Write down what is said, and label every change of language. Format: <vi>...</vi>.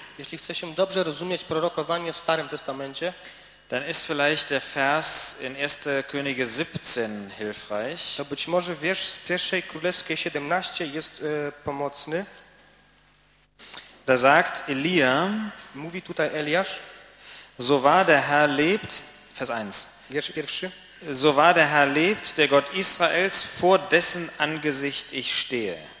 <pl>jeśli chce się dobrze rozumieć prorokowanie w Starym Testamencie,</pl> <de>dann ist vielleicht der Vers in 1. Könige 17 hilfreich.</de> <pl>To być może wiersz z 1. Królewskiej 17 jest pomocny.</pl> <de>Da sagt Elia,</de> <pl>mówi tutaj Eliasz,</pl> <de>so wahr der Herr lebt, Vers 1.</de> <pl>Wiersz pierwszy.</pl> <de>So wahr der Herr lebt, der Gott Israels, vor dessen Angesicht ich stehe.</de>